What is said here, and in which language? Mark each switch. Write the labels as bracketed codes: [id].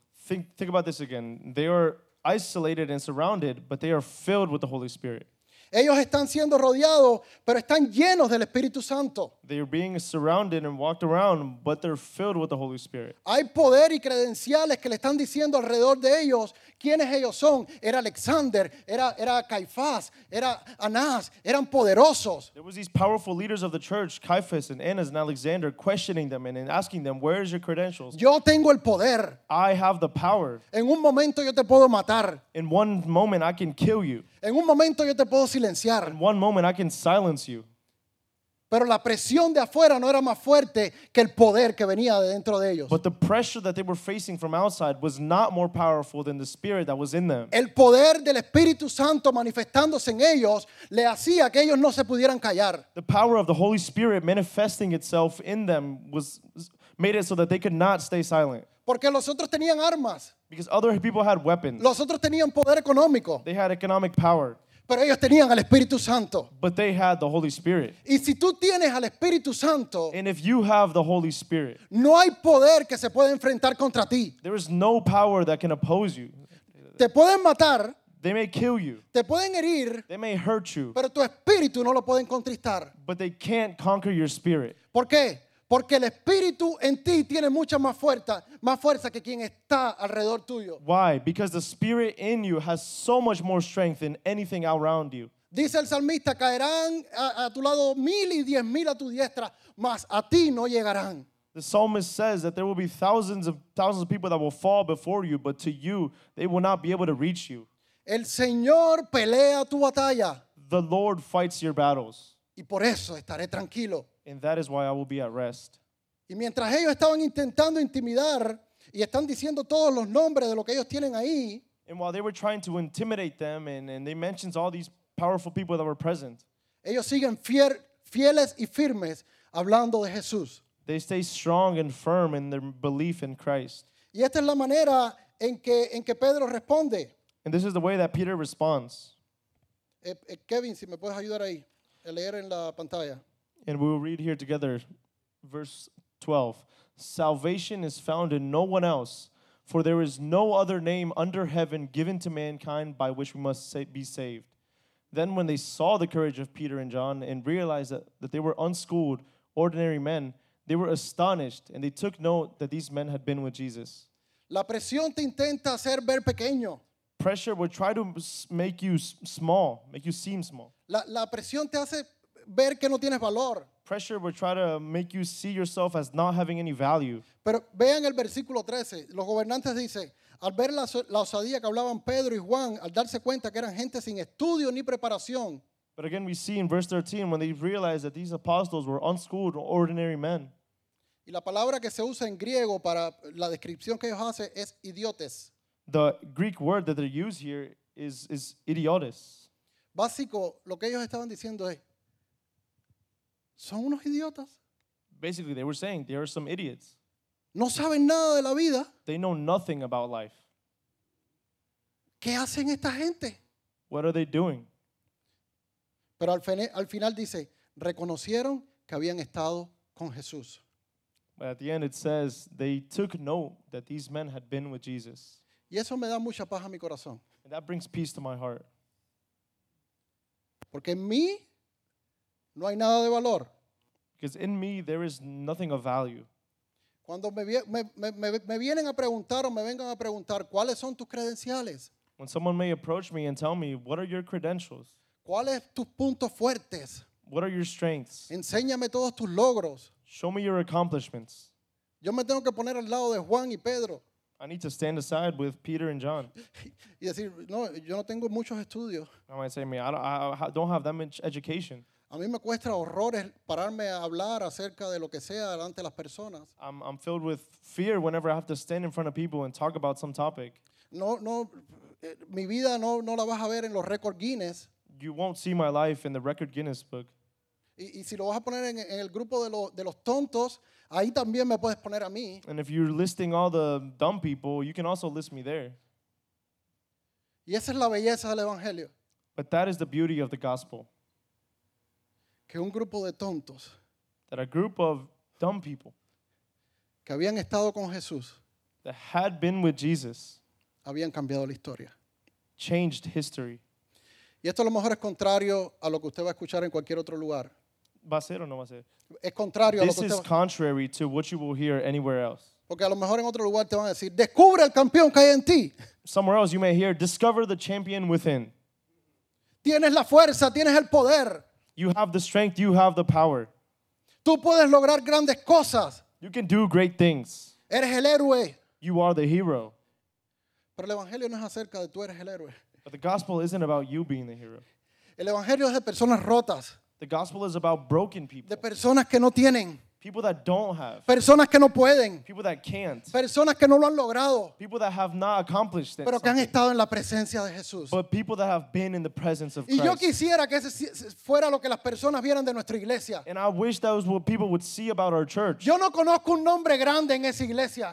[en] Think about this again. They are isolated and surrounded, but they are filled with the Holy Spirit. [es] Ellos están siendo rodeados, pero están llenos del Espíritu Santo. [en] They are being surrounded and walked around, but they're filled with the Holy Spirit. [es] Hay poder y credenciales que le están diciendo alrededor de ellos quiénes ellos son. Era Alexander, era Caifás, era Anás, eran poderosos. [en] There was these powerful leaders of the church, Caiaphas and Annas and Alexander, questioning them and asking them, "Where is your credentials?" [es] Yo tengo el poder. [en] I have the power. [es] En un momento yo te puedo matar. [en] In one moment I can kill you. [es] En un momento yo te puedo silenciar. [en] In one moment I can silence you. [es] Pero la presión de afuera no era más fuerte que el poder que venía de dentro de ellos. [en] But the pressure that they were facing from outside was not more powerful than the spirit that was in them. [es] El poder del Espíritu Santo manifestándose en ellos le hacía que ellos no se pudieran callar. [en] The power of the Holy Spirit manifesting itself in them was made it so that they could not stay silent. [es] Porque los otros tenían armas. [en] Because other people had weapons. [es] Los otros tenían poder económico. [en] They had economic power. [es] Pero ellos tenían al Espíritu Santo. [en] But they had the Holy Spirit. [es] Y si tú tienes al Espíritu Santo, [en] and if you have the Holy Spirit, [es] no hay poder que se pueda enfrentar contra ti. [en] There is no power that can oppose you. [es] Te pueden matar. [en] They may kill you. [es] Te pueden herir. [en] They may hurt you. [es] Pero tu espíritu no lo pueden contristar. [en] But they can't conquer your spirit. [es] ¿Por qué? Porque el espíritu en ti tiene mucha más fuerza que quien está alrededor tuyo. [en] Why? Because the spirit in you has so much more strength than anything around you. [es] Dice el salmista, caerán a tu lado mil y diez mil a tu diestra, mas a ti no llegarán. [en] The psalmist says that there will be thousands of people that will fall before you, but to you, they will not be able to reach you. [es] El Señor pelea tu batalla. [en] The Lord fights your battles. [es] Y por eso estaré tranquilo. [en] And that is why I will be at rest. [es] Y mientras ellos estaban intentando intimidar y están diciendo todos los nombres de lo que ellos tienen ahí, [en] and while they were trying to intimidate them and they mentioned all these powerful people that were present, [es] ellos siguen fieles y firmes hablando de Jesús. [en] They stay strong and firm in their belief in Christ. [es] Y esta es la manera en que Pedro responde. [en] And this is the way that Peter responds. [es] Kevin, si me puedes ayudar ahí a leer en la pantalla. [en] And we will read here together, verse 12. Salvation is found in no one else, for there is no other name under heaven given to mankind by which we must be saved. Then when they saw the courage of Peter and John and realized that they were unschooled, ordinary men, they were astonished and they took note that these men had been with Jesus. [es] La presión te intenta hacer ver pequeño. [en] Pressure will try to make you small, make you seem small. [es] La presión te hace ver que no tienes valor. [en] Pressure will try to make you see yourself as not having any value. [es] Pero vean el versículo 13. Los gobernantes dicen, al ver la osadía que hablaban Pedro y Juan, al darse cuenta que eran gente sin estudio ni preparación. [en] But again we see in verse 13 when they realized that these apostles were unschooled, ordinary men. [es] Y la palabra que se usa en griego para la descripción que ellos hacen es idiotes. [en] The Greek word that they use here is idiotes. [es] Básico, lo que ellos estaban diciendo es, son unos idiotas. [en] Basically, they were saying, there are some idiots. [es] No saben nada de la vida. [en] They know nothing about life. [es] ¿Qué hacen esta gente? [en] What are they doing? [es] Pero al final dice, reconocieron que habían estado con Jesús. [en] But at the end it says, they took note that these men had been with Jesus. [es] Y eso me da mucha paz a mi corazón. [en] And that brings peace to my heart. [es] Porque en mí, no hay nada de valor. [en] Because in me there is nothing of value. [es] Cuando me vienen a preguntar o me vengan a preguntar cuáles son tus credenciales. [en] When someone may approach me and tell me what are your credentials. [es] ¿Cuáles tus puntos fuertes? [en] What are your strengths? [es] Enséñame todos tus logros. [en] Show me your accomplishments. [es] Yo me tengo que poner al lado de Juan y Pedro. [en] I need to stand aside with Peter and John. [es] Y decir, no, yo no tengo muchos estudios. [en] I might say, I don't have that much education. [es] A mí me cuesta horrores pararme a hablar acerca de lo que sea delante de las personas. [en] I'm filled with fear whenever I have to stand in front of people and talk about some topic. [es] No, mi vida no la vas a ver en los récord Guinness. [en] You won't see my life in the record Guinness book. [es] Y si lo vas a poner en el grupo de los tontos, ahí también me puedes poner a mí. [en] And if you're listing all the dumb people, you can also list me there. [es] Y esa es la belleza del evangelio. [en] But that is the beauty of the gospel. [es] Que un grupo de tontos, [en] that a group of dumb people, [es] que habían estado con Jesús, [en] that had been with Jesus, [es] habían cambiado la historia, [en] changed history. [es] Y esto a lo mejor es contrario a lo que usted va a escuchar en cualquier otro lugar. ¿Va a ser o no va a ser? Es contrario [en] this [es] a lo que usted va a escuchar. [en] This is contrary to what you will hear anywhere else. [es] Porque a lo mejor en otro lugar te van a decir, descubre el campeón que hay en ti. [en] Somewhere else you may hear, discover the champion within. [es] Tienes la fuerza, tienes el poder. [en] You have the strength, you have the power. [es] Tú puedes lograr grandes cosas. [en] You can do great things. [es] Eres el héroe. [en] You are the hero. [es] Pero el evangelio no es acerca de tú eres el héroe. [en] But the gospel isn't about you being the hero. [es] El evangelio es de personas rotas. [en] The gospel is about broken people. [es] De personas que no tienen. [en] People that don't have. [es] Personas que no pueden. [en] People that can't. [es] Personas que no lo han logrado. [en] People that have not accomplished it. [es] Pero que han estado en la presencia de Jesús. [en] But people that have been in the presence of Christ. [es] Y yo quisiera que ese fuera lo que las personas vieran de nuestra iglesia. [en] And I wish that was what people would see about our church. [es] Yo no conozco un nombre grande en esa iglesia.